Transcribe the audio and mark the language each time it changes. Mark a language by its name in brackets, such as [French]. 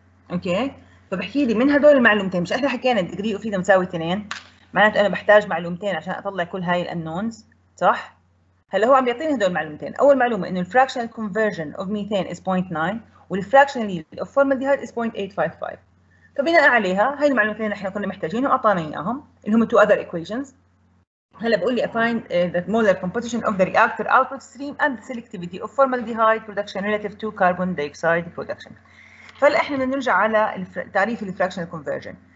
[Arabic] اوكي فبحكي لي من هدول المعلومتين مش احنا حكينا degree of freedom تساوي 2 معناته انا بحتاج معلومتين عشان اطلع كل هاي الانونز صح. هلا هو عم يعطيني هدول المعلومتين. اول معلومه انه [English] fractional conversion of methane is 0.9 والfractional yield of formaldehyde is 0.855. [Arabic] فبناء عليها هاي المعلومتين احنا كنا محتاجينه واعطانا اياهم اللي هم [English] two other equations. [Arabic] هلا بقول لي [English] find the molar composition of the reactor output stream and the selectivity of formaldehyde production relative to carbon dioxide production. [Arabic] فهلا احنا بدنا نرجع على تعريف الفراكشنال كونفرجن.